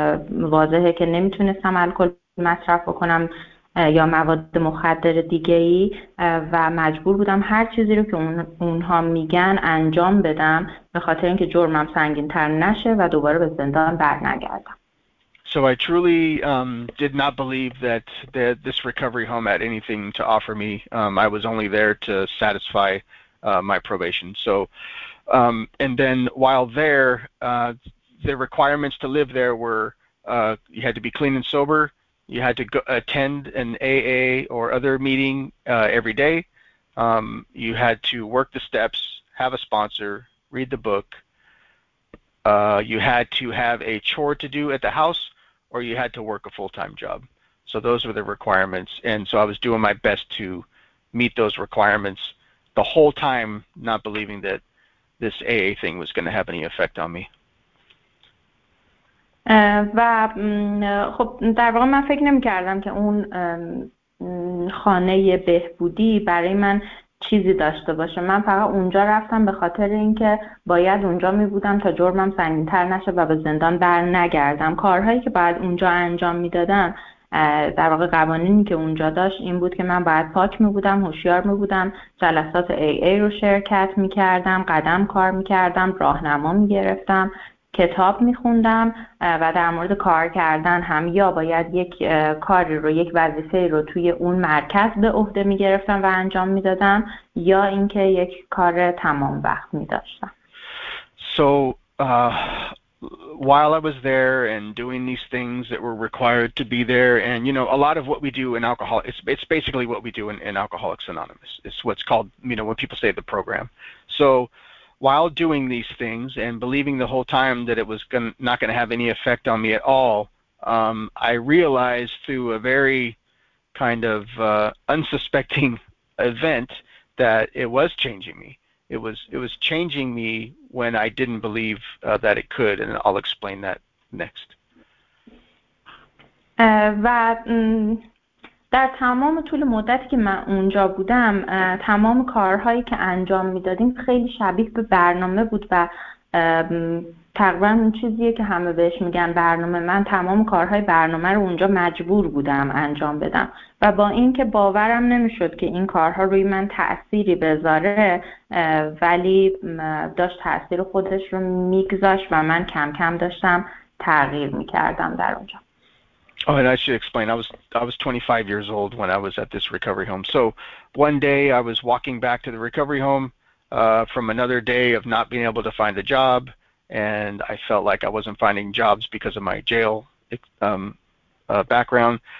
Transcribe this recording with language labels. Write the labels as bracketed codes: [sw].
[fa] واضحه که نمیتونستم الکل مصرف بکنم یا مواد مخدر دیگه ای، و مجبور بودم هر چیزی رو که اونها میگن انجام بدم به خاطر اینکه جرمم سنگین تر نشه و دوباره به زندان بر نگردم. [en] So I truly did not believe that this recovery home had anything to offer me. I was only there to satisfy my probation. So and then while there the requirements to live there were you had to be clean and sober. You had to go attend an AA or other meeting every day. You had to work the steps, have a sponsor, read the book. You had to have a chore to do at the house, or you had to work a full-time job. So those were the requirements. And so I was doing my best to meet those requirements the whole time, not believing that this AA thing was going to have any effect on me. [fa] و خب در واقع من فکر نمی کردم که اون خانه بهبودی برای من چیزی داشته باشه. من فقط اونجا رفتم به خاطر اینکه باید اونجا می بودم تا جرمم سنگین‌تر نشه و به زندان بر نگردم. کارهایی که باید اونجا انجام می دادم، در واقع قوانینی که اونجا داشت این بود که من باید پاک می بودم، هوشیار می بودم، جلسات AA رو شرکت می کردم، قدم کار می کردم، راهنما می گرفتم، کتاب می خوندم و در مورد کار کردن هم یا باید یک کاری رو، یک وظیفه رو توی اون مرکز به عهده می گرفتم و انجام می دادم یا اینکه یک کار تمام وقت می داشتم. [en] While I was there and doing these things that were required to be there, and you know, a lot of what we do in alcohol, it's basically what we do in Alcoholics Anonymous. It's what's called, you know, when people say the program. So while doing these things and believing the whole time that it was not going to have any effect on me at all, I realized through a very kind of unsuspecting event that it was changing me. It was changing me when I didn't believe that it could, and I'll explain that next. [fa] و در تمام طول مدتی که من اونجا بودم، تمام کارهایی که انجام میدادیم خیلی شبیه به برنامه بود و تقریبا اون چیزیه که همه بهش میگن برنامه. من تمام کارهای برنامه رو اونجا مجبور بودم انجام بدم و با اینکه باورم نمیشد که این کارها روی من تأثیری بذاره، ولی داشت تأثیر خودش رو میگذاشت و من کم کم داشتم تغییر میکردم در اونجا. [en] Oh, and I should explain. I was 25 years old when I was at this recovery home. So one day I was walking back to the recovery home from another day of not being able to find a job. And I felt like I wasn't finding jobs because of my jail background.